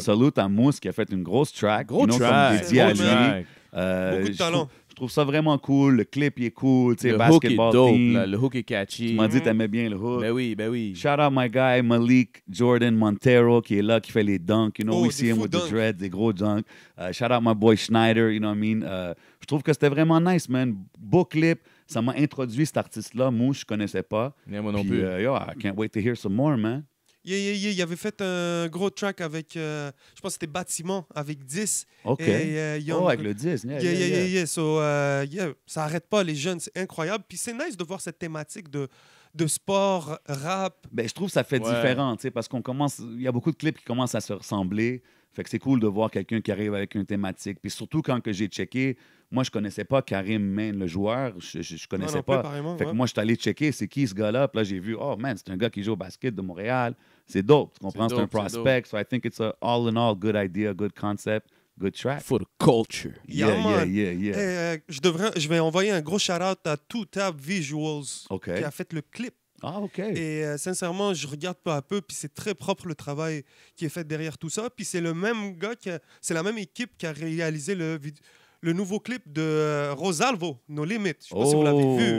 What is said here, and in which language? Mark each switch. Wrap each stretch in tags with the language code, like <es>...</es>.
<fr>Salute à Mousse qui a fait une grosse track. Beaucoup de talent. Je trouve ça vraiment cool. Le clip, il est cool. Le</fr> <en>basketball</en> <fr>hook est dope. Le hook est catchy. Tu m'as dit que t'aimais bien le hook. Ben oui.</fr> <en>Shout out my guy</en> <fr>Malik Jordan Montero qui est là, qui fait les dunks.</fr> <en>You know, we see him with dunk. The dreads,</en> <fr>des gros dunks.</fr> <en>Shout out my boy Schneider, you know what I mean?</en> <fr>Je trouve que c'était vraiment nice, man. Beau clip. Ça m'a introduit cet artiste-là. Mouche, je connaissais pas. Yeah, moi non plus.</fr> <en>Yo, I can't wait to hear some more, man. Yeah.</en> <fr>Il avait fait un gros track avec, je pense que c'était Bâtiment, avec 10. OK. Avec le 10. Yeah. So, ça n'arrête pas, les jeunes, c'est incroyable. Puis c'est nice de voir cette thématique de sport, rap. Ben, je trouve que ça fait différent, tu sais, parce qu'on commence, il y a beaucoup de clips qui commencent à se ressembler. Fait que c'est cool de voir quelqu'un qui arrive avec une thématique. Puis surtout quand que j'ai checké, moi, je ne connaissais pas Karim Main, le joueur. Je ne connaissais pas. Fait que moi, je suis allé checker, c'est qui ce gars-là? Puis là, j'ai vu, oh man, c'est un gars qui joue au basket de Montréal. C'est dope, tu comprends? C'est un prospect.</fr> <en>So I think it's a all in all good idea, good concept, good track. For the culture. Yeah.</en> <fr>Je vais envoyer un gros shout-out à 2TAP Visuals qui a fait le clip. Ah, OK. Et sincèrement, je regarde peu à peu, puis c'est très propre le travail qui est fait derrière tout ça. Puis c'est le même gars, c'est la même équipe qui a réalisé le nouveau clip de Rosalvo, No Limit. Je ne sais pas si vous l'avez vu.</fr>